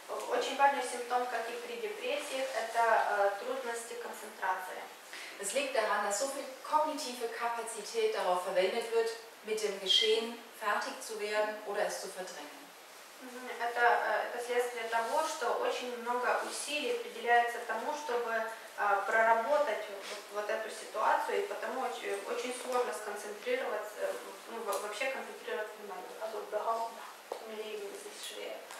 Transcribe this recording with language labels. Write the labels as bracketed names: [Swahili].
[Russian] Очень важный симптом, как и при депрессиях, это трудности концентрации. [German] Es liegt daran, dass so viel kognitive Kapazität darauf verwendet wird, mit dem Geschehen fertig zu werden oder es zu verdrängen. [Russian] Это следствие того, что очень много усилий определяется тому, чтобы проработать вот эту ситуацию, и потому очень сложно сконцентрироваться, вообще концентрировать внимание. [German] Also behaupten, im Leben ist es schwer.